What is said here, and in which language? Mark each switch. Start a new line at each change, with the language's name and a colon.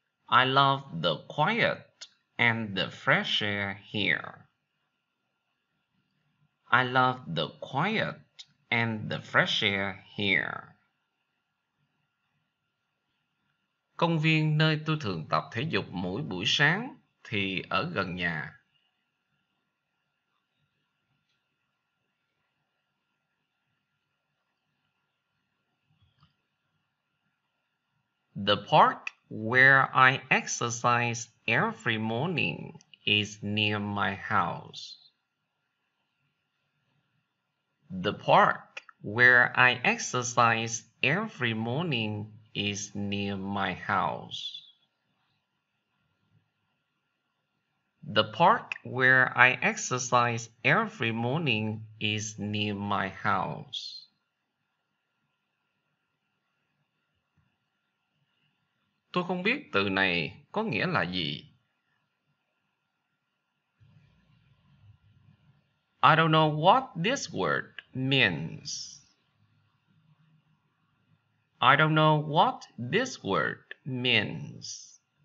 English: I love the quiet and the fresh air here. I love the quiet and the fresh air here.
Vietnamese: Công viên nơi tôi thường tập thể dục mỗi buổi sáng thì ở gần nhà.
English: The park where I exercise every morning is near my house. The park where I exercise every morning is near my house. The park where I exercise every morning is near my house.
Vietnamese: Tôi không biết từ này có nghĩa là gì.
English: I don't know what this word means. I don't know what this word means.